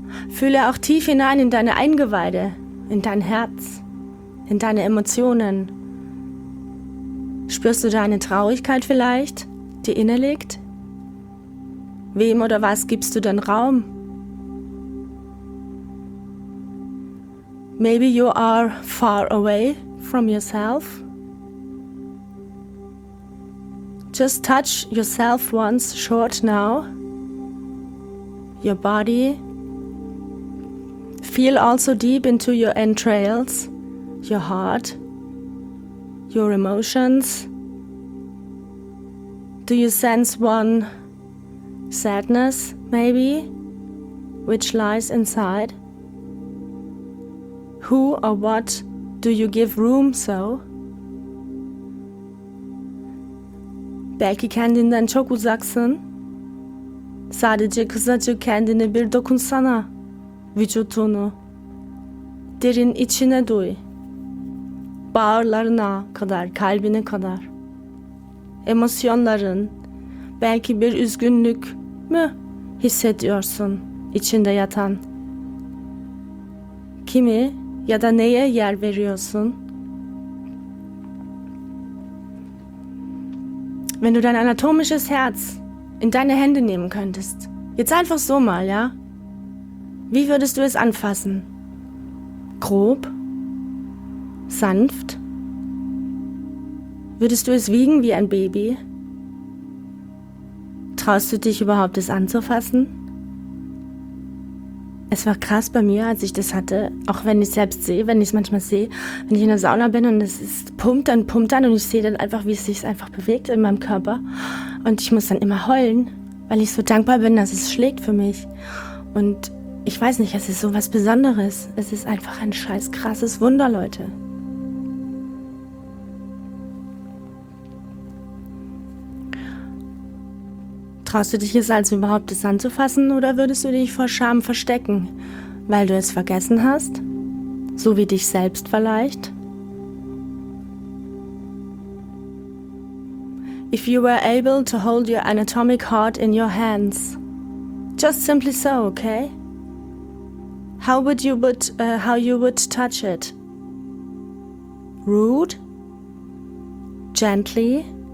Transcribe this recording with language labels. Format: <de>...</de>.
<de>Fühle auch tief hinein in deine Eingeweide, in dein Herz, in deine Emotionen. Spürst du da eine Traurigkeit vielleicht, die innerliegt? Wem oder was gibst du denn Raum?</de> <en>Maybe you are far away from yourself. Just touch yourself once short now. Your body. Feel also deep into your entrails, your heart, your emotions. Do you sense one sadness, maybe, which lies inside? Who or what do you give room so?</en> <tr>Belki kendinden çok uzaksın. Sadece kısaca kendine bir dokunsana, vücutunu. Derin içine duy. Bağırlarına kadar, kalbine kadar. Emosyonların, belki bir üzgünlük mü hissediyorsun içinde yatan? Kimi ya da neye yer veriyorsun?</tr> <de>Wenn du dein anatomisches Herz in deine Hände nehmen könntest, jetzt einfach so mal, ja? Wie würdest du es anfassen? Grob? Sanft? Würdest du es wiegen wie ein Baby? Traust du dich überhaupt, es anzufassen? Es war krass bei mir, als ich das hatte, auch wenn ich es selbst sehe, wenn ich es manchmal sehe, wenn ich in der Sauna bin und es ist, pumpt dann und ich sehe dann einfach, wie es sich einfach bewegt in meinem Körper. Und ich muss dann immer heulen, weil ich so dankbar bin, dass es schlägt für mich. Und ich weiß nicht, es ist so was Besonderes. Es ist einfach ein scheiß krasses Wunder, Leute. Traust du dich es also überhaupt, es anzufassen, oder würdest du dich vor Scham verstecken, weil du es vergessen hast? So wie dich selbst vielleicht?</de> <en>If you were able to hold your anatomic heart in your hands, just simply so, okay? How you would touch it? Rude? Gently?</en>